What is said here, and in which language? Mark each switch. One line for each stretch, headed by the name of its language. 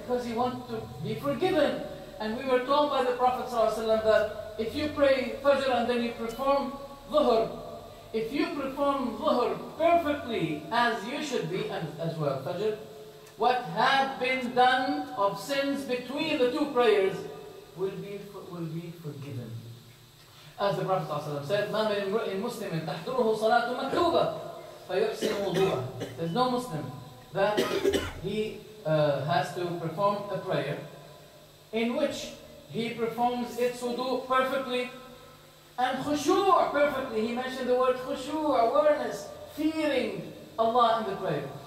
English: Because you want to be forgiven. And we were told by the Prophet ﷺ that if you pray fajr and then you perform dhuhr, if you perform dhuhr perfectly as you should be, and as well fajr, what had been done of sins between the two prayers will be forgiven. As the Prophet ﷺ said,
Arabic: مَا مِنْ رُؤِي مُسْلِمٍ تَحْضُرُهُ صَلَاةُ مَكْتُوبَ فَيُحْسِنُ وُضُوعًا.
English: There's no Muslim that he has to perform a prayer in which he performs its wudu perfectly and khushu' perfectly. He mentioned the word khushu', awareness, fearing Allah in the prayer.